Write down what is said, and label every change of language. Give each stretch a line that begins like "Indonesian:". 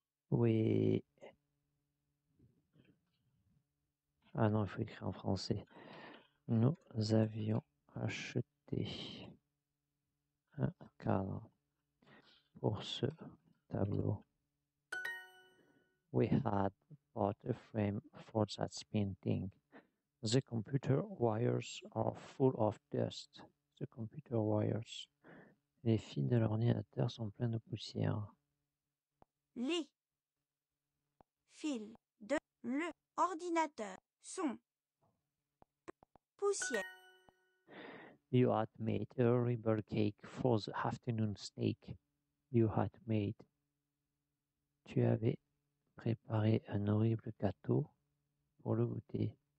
French: Oui. Ah non, il faut écrire en français. Nous avions acheté un cadre pour ce tableau.
English: We had bought a frame for that painting. The computer wires are full of dust. The computer wires.
French: Les fils de l'ordinateur sont pleins de poussière. Les fils de l'ordinateur sont poussière.
English: You had made a horrible cake for the afternoon steak. You had made.
French: Tu avais préparé un horrible gâteau pour le goûter.